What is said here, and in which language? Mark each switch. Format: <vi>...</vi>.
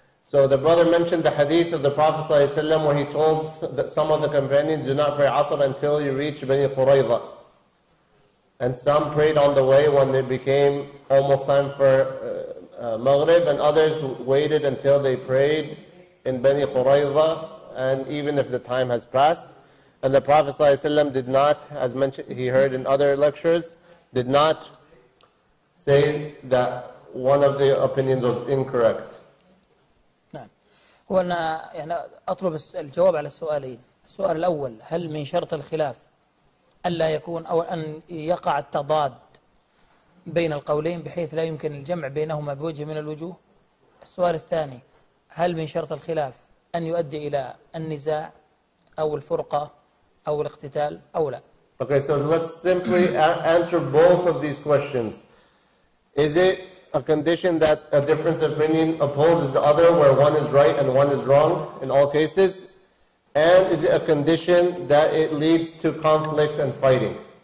<en>So the brother mentioned the hadith of the Prophet ﷺ where he told that some of the companions do not pray Asr until you reach Bani Qurayza, and some prayed on the way when it became almost time for Maghrib, and others waited until they prayed in Bani Qurayza, and even if the time has passed. And the Prophet ﷺ did not, as mentioned, he heard in other lectures, did not say that one of the opinions was incorrect.</en> <ar>هو أنا يعني أطلب الجواب على السؤالين. السؤال الأول، هل من شرط الخلاف ألا يكون أو أن يقع التضاد بين القولين بحيث لا يمكن الجمع بينهما بوجه من الوجوه؟ السؤال الثاني، هل من شرط الخلاف أن يؤدي إلى النزاع أو الفرقة أو الاقتتال أو لا؟</ar> <en>Okay, so let's simply answer both of these questions. Is it a condition that a difference of opinion opposes the other, where one is right and one is wrong in all cases? And is it a condition that it leads to conflict and fighting?</en>